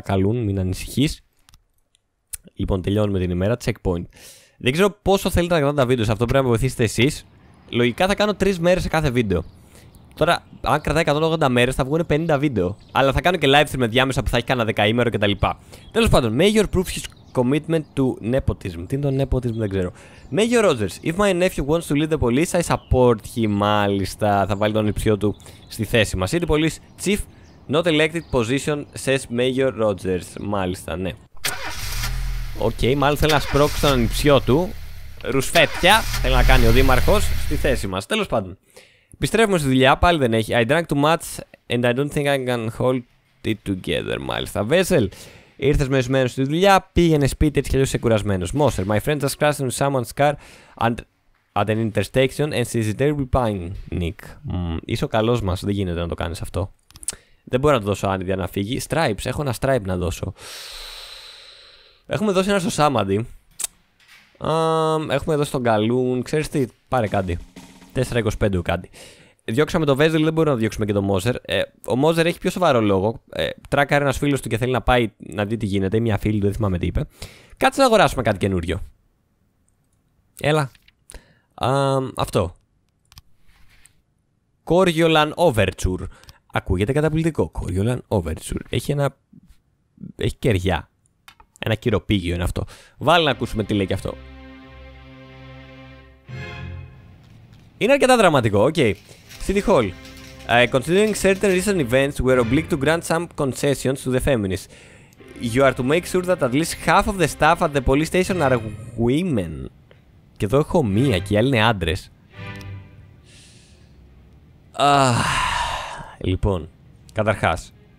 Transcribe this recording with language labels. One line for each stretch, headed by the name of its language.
Greek: Καλούν, μην ανησυχείς. Λοιπόν, τελειώνουμε την ημέρα. Checkpoint. Δεν ξέρω πόσο θέλετε να κρατάτε τα βίντεο σε αυτό. Πρέπει να βοηθήσετε εσείς. Λογικά θα κάνω 3 μέρες σε κάθε βίντεο. Τώρα, αν κρατάει 180 μέρες, θα βγουν 50 βίντεο. Αλλά θα κάνω και live stream διάμεσα που θα έχει κανένα δεκαήμερο κτλ. Τέλος πάντων,
English: Major proves his commitment to nepotism.
Greek: Τι είναι το nepotism, δεν ξέρω.
English: Major Rogers, if my nephew wants to lead the police, I support him.
Greek: Μάλιστα, θα βάλει τον υψηλό του στη θέση μας.
English: City Police Chief, not elected position, says Major Rogers.
Greek: Μάλιστα, ναι. Okay, μάλλον θέλει να σπρώξει τον υψηλό του. Ρουσφέτια, θέλει να κάνει ο δήμαρχος στη θέση μας. Τέλος πάντων. Επιστρέφουμε στη δουλειά, πάλι δεν έχει.
English: I drank too much and I don't think I can hold it together,
Greek: μάλιστα. Vessel, ήρθες μεσμένος στη δουλειά, πήγαινε σπίτι έτσι κι αλλιώς είσαι κουρασμένος.
English: Moser, my friend just crashed into someone's car at an intersection and she's a terrible panic.
Greek: Είσαι ο καλός μας, δεν γίνεται να το κάνεις αυτό. Δεν μπορώ να το δώσω άνοιγμα να φύγει. Stripes, έχω ένα stripe να δώσω. Έχουμε δώσει ένα στο Σάμαντι. Έχουμε δώσει τον Καλούν, ξέρεις τι, πάρε κάτι. 4-25 ο Κάντι. Διώξαμε το Βέζελ, δεν μπορούμε να διώξουμε και το Μόζερ. Ο Μόζερ έχει πιο σοβαρό λόγο. Τράκαρε ένα φίλο του και θέλει να πάει να δει τι γίνεται. Μια φίλη του, δεν θυμάμαι τι είπε. Κάτσε να αγοράσουμε κάτι καινούριο. Έλα. Αυτό. Coriolan Overture. Ακούγεται καταπληκτικό. Coriolan Overture. Έχει ένα. Έχει κεριά. Ένα κυροπήγιο είναι αυτό. Βάλει να ακούσουμε τι λέει και αυτό. Είναι αρκετά δραματικό, οκ.
English: Okay. City Hall. Considering certain recent events, we are obliged to grant some concessions to the feminists. You are to make sure that at least half of the staff at the police station are women.
Greek: Και εδώ έχω μία και οι άλλοι είναι άντρες. Λοιπόν, καταρχάς.